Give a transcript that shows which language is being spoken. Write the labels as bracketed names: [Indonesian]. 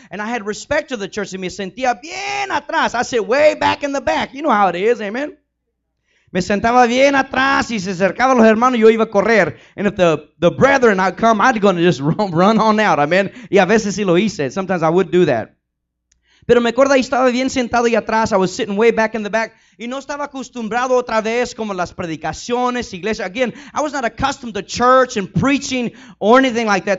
[English] And I had respect to the church. [Spanish] Y me sentía bien atrás. [English] I sit way back in the back. You know how it is. Amen. [Spanish] Me sentaba bien atrás y se acercaban los hermanos y yo iba a correr. [English] And if the brethren had come, I'd going to just run on out, amen. [Spanish] Y a veces sí lo hice. [English] Sometimes I would do that. [Spanish] Pero me acuerdo ahí estaba bien sentado y atrás. [English] I was sitting way back in the back. [Spanish] Y no estaba acostumbrado otra vez como las predicaciones, iglesia. [English] Again, I was not accustomed to church and preaching or anything like that.